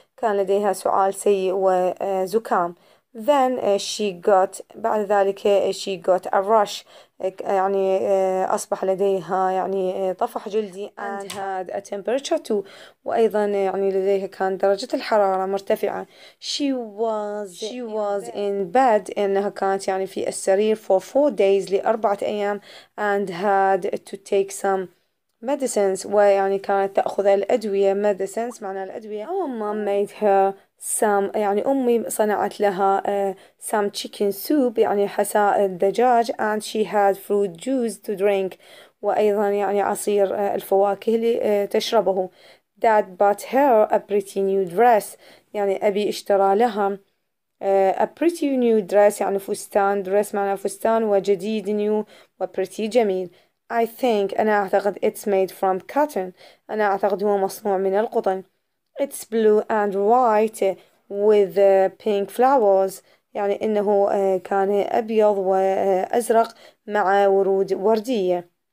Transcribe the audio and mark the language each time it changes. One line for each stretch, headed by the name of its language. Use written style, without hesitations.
Arabic: كان لديها سعال سيء وزكام.
English: Then she got
Arabic: بعد ذلك
English: she got a rash.
Arabic: يعني أصبح لديها يعني طفح جلدي
English: and had a temperature too.
Arabic: وأيضا يعني لديها كان درجة الحرارة مرتفعة.
English: She was in bed
Arabic: إنها كانت يعني في السرير
English: for 4 days
Arabic: لأربعة أيام
English: and had to take some
Arabic: medicines ويعني كانت تأخذ الأدوية. medicines معنى الأدوية.
English: our mom made her some
Arabic: يعني أمي صنعت لها
English: some chicken soup
Arabic: يعني حساء الدجاج
English: and she had fruit juice to drink
Arabic: وأيضا يعني عصير الفواكه لتشربه.
English: dad bought her a pretty new dress
Arabic: يعني أبي اشترى لها
English: a pretty new dress
Arabic: يعني فستان. dress معنى فستان وجديد new و pretty جميل.
English: I think
Arabic: أنا أعتقد
English: it's made from cotton
Arabic: أنا أعتقد هو مصنوع من القطن.
English: it's blue and white with pink flowers
Arabic: يعني إنه كان أبيض وأزرق مع ورود وردية.